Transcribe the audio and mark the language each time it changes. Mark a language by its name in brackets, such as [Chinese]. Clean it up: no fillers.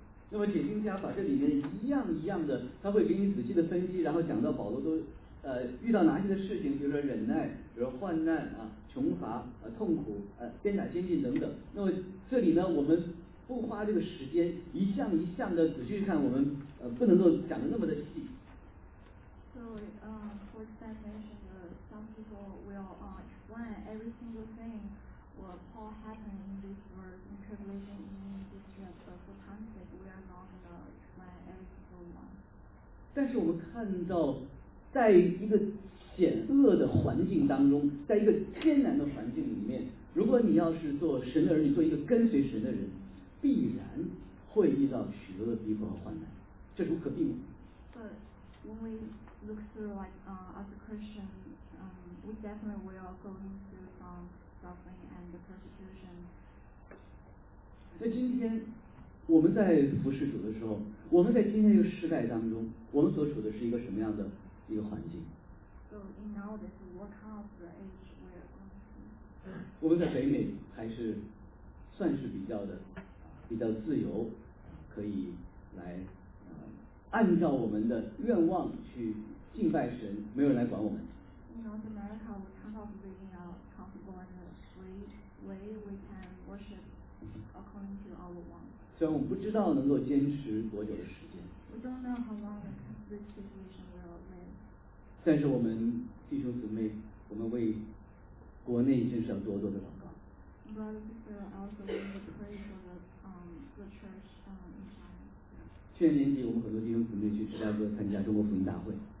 [Chinese] 那么解经家把这里面一样一样的，他会给你仔细的分析，然后讲到保罗都。遇到哪些的事情，比如说忍耐，比如说患难啊，穷乏啊，痛苦啊，鞭打监禁等等。那么这里呢，我们不花这个时间一项一项的仔细看，我们不能够讲的那么的细。 [English] So, for example, some people will explain every single thing what Paul happened in this verse in tribulation in this chapter. For context, we are not going to explain every single one. [Chinese] 但是我们看到。在一个险恶的环境当中，在一个艰难的环境里面，如果你要是做神的儿女，做一个跟随神的人，必然会遇到许多的逼迫和患难，这是无可避免。 [English] But when we look through like as a Christian, we definitely will go through some suffering and persecution. [Chinese] 那今天我们在服侍主的时候，我们在今天这个时代当中，我们所处的是一个什么样的？一个环境。 [English] So in now this what kind of the age we are going to? [Chinese] 我们在北美还是算是比较的比较自由，可以来按照我们的愿望去敬拜神，没有人来管我们。 [English] In North America, we kind of live in a comfortable and free way we can worship according to our wants. [Chinese] 虽然我们不知道能够坚持多久的时间。 [English] We don't know how long this situation. [Chinese] 但是我们弟兄姊妹，我们为国内真是要多多的祷告。去年年底，我们很多弟兄姊妹去芝加哥参加中国福音大会。